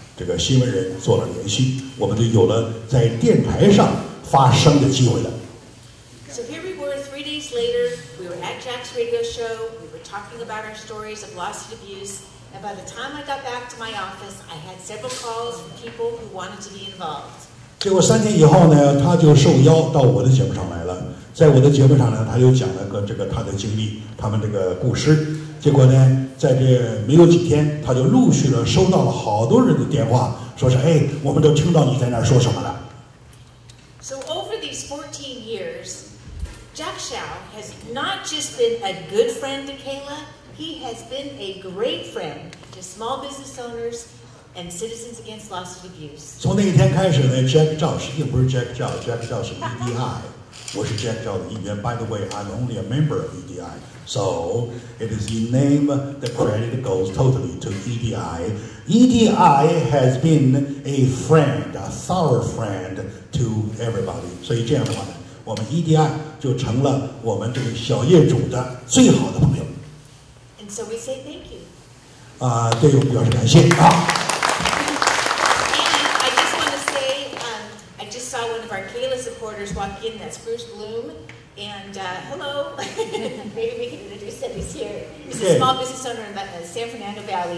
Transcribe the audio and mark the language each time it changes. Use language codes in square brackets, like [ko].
[zh] 所以呢，通过这个当时的这个他啊，就是我们的加州的众议员，他呢跟我们跟当时我啊这个新闻人做了联系。我们就有了在电台上发声的机会了。 [en] So here we were 3 days later, we were at Jack's radio show, we were talking about our stories of lawsuit abuse, and by the time I got back to my office, I had several calls from people who wanted to be involved. [zh] 结果3天以后呢, 他就受邀到我的节目上来了。在我的节目上呢，他就讲了个这个他的经历，他们这个故事。结果呢，在这没有几天, 他就陆续了收到了好多人的电话。说是哎，我们都听到你在那说什么了。 [en] So over these 14 years, Jack Chow has not just been a good friend to Kayla, he has been a great friend to small business owners and citizens against lawsuit abuse. [zh] 从那一天开始呢 ，Jack Chow 实际不是 Jack Chow，Jack Chow 是 EDI， 我是 Jack Chow 的一员。 [en] By the way, I'm only a member of EDI. So, it is in name, the credit goes totally to EDI. EDI has been a friend, a thorough friend to everybody. [zh] 所以这样的话呢, 我们 EDI就成了我们这个小业主的最好的朋友。 [en] And so we say thank you. [zh] 对我们表示感谢啊。 [en] And I just want to say, I just saw one of our Kayla supporters walk in, that's Bruce Bloom. And hello, maybe we can introduce him. He's here. He's a small business owner in the San Fernando Valley.